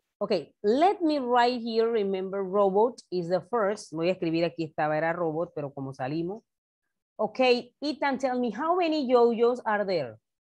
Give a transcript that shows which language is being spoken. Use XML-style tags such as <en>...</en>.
<en>Okay, let me write here, remember, robot is the first.</en> <es>Voy a escribir aquí, estaba, era robot, pero como salimos.</es> <en>Okay, Ethan, tell me, how many JoJo's are there?</en>